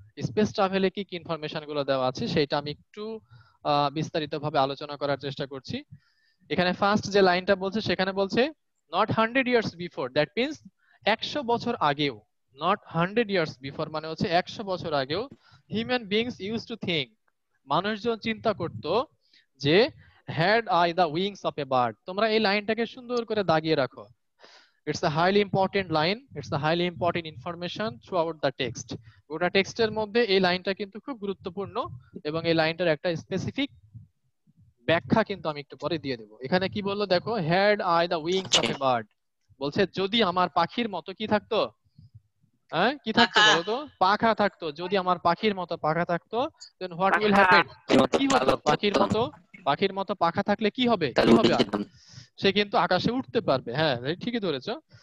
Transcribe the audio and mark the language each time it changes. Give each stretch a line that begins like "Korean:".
Bangla: Space ট্রাভেলে কি কি information গুলো দেওয়া আছে সেটা আমি একটু বিস্তারিত ভাবে আলোচনা করার চেষ্টা করছি। এখানে ফার্স্ট যে লাইনটা বলছে সেখানে বলছে
English: not hundred years before, that means
Bangla: 100 বছর আগেও।
English: not hundred years before
Bangla: মানে হচ্ছে 100 বছর আগেও
English: human beings use to think,
Bangla: মানুষজন চিন্তা করত যে
English: had I the wings of a bird.
Bangla: তোমরা এই লাইনটাকে সুন্দর করে দাগিয়ে রাখো.
English: It's a highly important line. It's a highly important information throughout the text.
Bangla: গোটা টেক্সটের মধ্যে এই লাইনটা কিন্তু খুব গুরুত্বপূর্ণ এবং এই লাইনটার একটা স্পেসিফিক ব্যাখ্যা কিন্তু আমি একটু পরে দিয়ে দেব. এখানে কি বললো দেখো,
English: had I the wings of a bird.
Bangla: বলছে যদি আমার পাখির মতো কি থাকতো, হ্যাঁ কি থাকতো বলো তো, পাখা থাকতো. যদি আমার পাখির মতো পাখা থাকতো,
English: then what will happen?
Bangla: কি হতো পাখির মতো, পাখির মতো পাখা থাকলে কি হবে, কি হবে সে কিন্তু আকাশে উঠতে পারবে. হ্যাঁ ঠিকই ধরেছো.